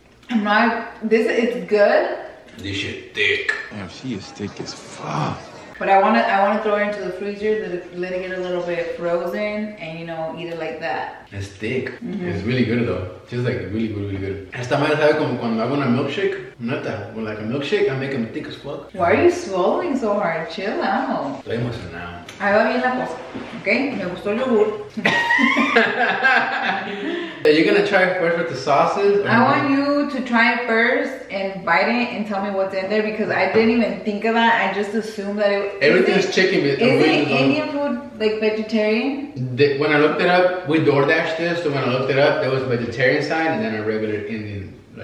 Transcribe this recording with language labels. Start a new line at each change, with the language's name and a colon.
English: Mm. It's good. This shit thick. Man, she is thick as fuck. But I wanna throw it into the freezer, let it get a little bit frozen, and you know, eat it like that. It's thick. Mm-hmm. It's really good though. Just like really, really, really good.
Spanish: Esta madre sabe como cuando hago una milkshake.
English: Nota, when like a milkshake, I make them thick as fuck. Why are you swallowing so hard? Chill out.
Spanish: Estoy emocionado. Ahí va bien la cosa. Okay? Me gustó el yogur.
English: The Yeah, you're gonna try it first with the sauces. I want you to try it first and bite it and tell me what's in there, because I didn't even think of that. I just assumed that everything's chicken. Indian food like vegetarian? When I looked it up, we DoorDashed this, so when I looked it up, there was a vegetarian side and then a regular Indian.